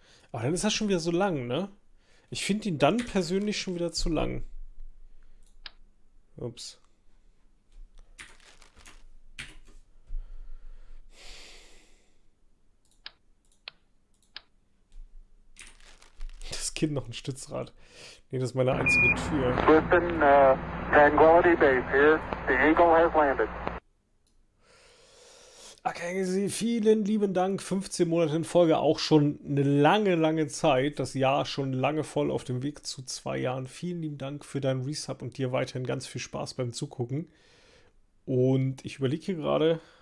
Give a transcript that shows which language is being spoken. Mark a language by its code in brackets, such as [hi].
[de] Aber dann ist das schon wieder so lang, ne? Ich finde ihn dann persönlich schon wieder zu lang. Ups. Das Kind noch ein Stützrad. Nee, das ist meine einzige Tür. [en] Houston, Tranquility Base here. The Eagle has landed. [de] Okay, Sie, vielen lieben Dank. 15 Monate in Folge, auch schon eine lange, lange Zeit. Das Jahr schon lange voll auf dem Weg zu 2 Jahren. Vielen lieben Dank für deinen Resub und dir weiterhin ganz viel Spaß beim Zugucken. Und ich überlege hier gerade.